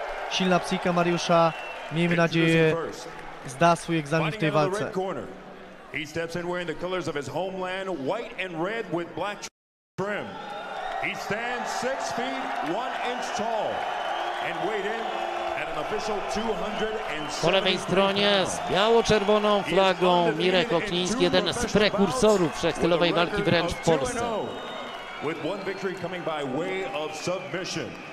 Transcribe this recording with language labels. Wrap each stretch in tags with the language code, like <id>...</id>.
<pl>Silna psychika Mariusza, miejmy nadzieję, zda swój egzamin w tej walce.</pl> <en>He steps in wearing the colors of his homeland, white and red with black trim. He stands 6'1" tall and weighed in at an official 207.</en> <pl>Po lewej stronie z biało-czerwoną flagą Mirek Okliński, jeden z prekursorów wszechstylowej walki wręcz w Polsce.</pl> <en>With one victory coming by way of submission.</en>